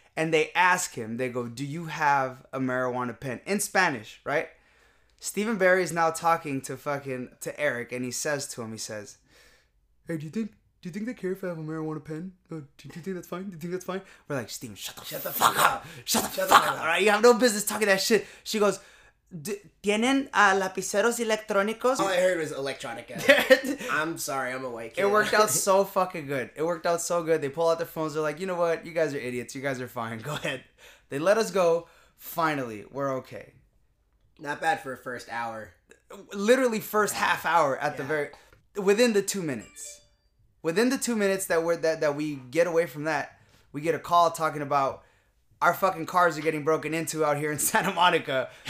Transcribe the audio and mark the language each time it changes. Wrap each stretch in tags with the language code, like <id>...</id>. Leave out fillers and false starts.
<en>And they ask him, they go, do you have a marijuana pen? In Spanish, right? Stephen Berry is now talking to Eric, and he says to him, he says, hey, do you think they care if I have a marijuana pen? Do you think that's fine? We're like, Stephen, shut the fuck up. Right? You have no business talking that shit. She goes,</en> <es>¿tienen lapiceros electrónicos?</es> <en>All I heard was electronica. I'm sorry, I'm a white kid. It worked out so fucking good. It worked out so good. They pull out their phones. They're like, you know what? You guys are idiots. You guys are fine. Go ahead. They let us go. Finally, we're okay. Not bad for a first hour. Literally first half hour within the two minutes that we get away from that, we get a call talking about our fucking cars are getting broken into out here in Santa Monica.</en>